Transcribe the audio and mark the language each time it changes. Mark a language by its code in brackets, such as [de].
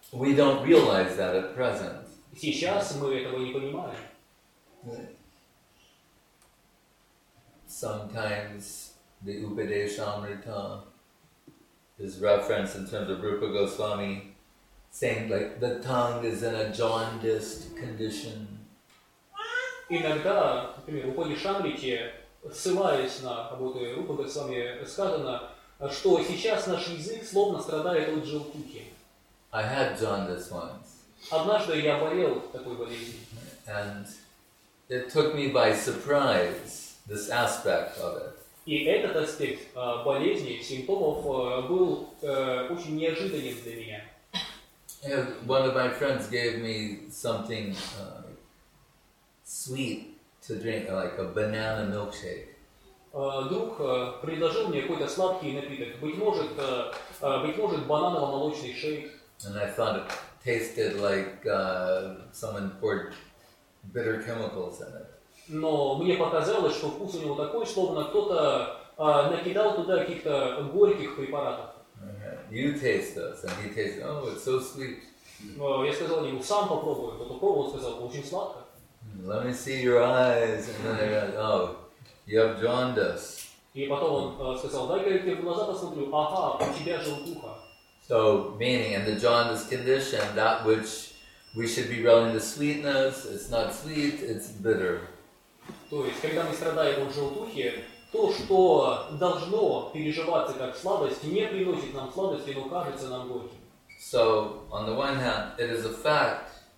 [en] We don't realize that at present. [ru] Сейчас мы этого не понимаем. [en] Sometimes the Upadeshamrita is referenced in terms of Rupa Goswami saying like the tongue is in a jaundiced condition. [ru] Иногда, например, в Упадешамрите, ссылаясь на работу Рупа Госвами, сказано, что сейчас наш язык словно страдает от желтухи. [en] I had jaundice once. [ru] Однажды я болел такой болезнью. [en] And it took me by surprise. This aspect of it. [ru] И этот аспект болезни, симптомов, был очень неожиданным для меня. [en] And one of my friends gave me something sweet to drink, like a banana milkshake. [ru] Друг предложил мне какой-то сладкий напиток. Быть может, бананово-молочный шейк. [en] And I thought it tasted like someone poured bitter chemicals in it. [ru] Но мне показалось, что вкус у него такой, словно кто-то накидал туда каких-то горьких препаратов. [en] Okay. You taste this, and he tastes, oh, it's so sweet. [ru] Я сказал ему, сам попробуй. Он попробовал, сказал, очень сладко. [en] Let me see your eyes. And then I got, oh, you have jaundice. [ru] И потом он сказал, дай-ка я в глаза посмотрю. Ага, у тебя желтуха. [en] So, meaning, in the jaundice condition, that which we should be relishing the sweetness, it's not sweet, it's bitter. [ru] То есть, когда мы страдаем от желтухи, то, что должно переживаться как сладость, не приносит нам сладости, но кажется нам горьким. [en] So, on the one hand, it is a fact.